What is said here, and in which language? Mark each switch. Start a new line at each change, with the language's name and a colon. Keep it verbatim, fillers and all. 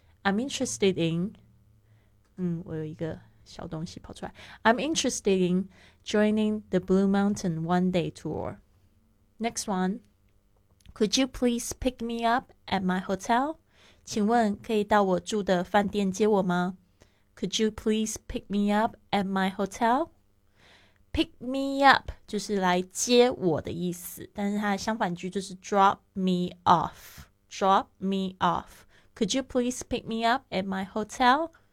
English: I'm interested in
Chinese: 嗯，我有一个小东西跑出来
English: I'm interested in joining the Blue Mountain one day tour. Next one, Could you please pick me up at my hotel?
Chinese: 请问可以到我住的饭店接我吗？
English: Could you please pick me up at my hotel? Pick me up
Chinese: 就是来接我的意思，但是它的相反句就是
English: drop me off. Drop me off. Could you please pick me up at my hotel?